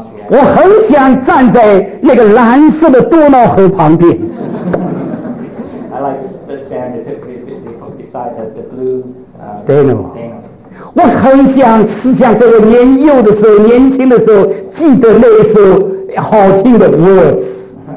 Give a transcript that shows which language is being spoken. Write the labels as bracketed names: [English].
[Chinese] 我很想站在那个蓝色的多瑙河旁边。 [English] I like to stand beside the blue Danube. [Chinese] 我很想思想这个年幼的时候，年轻的时候，记得那一首好听的 words。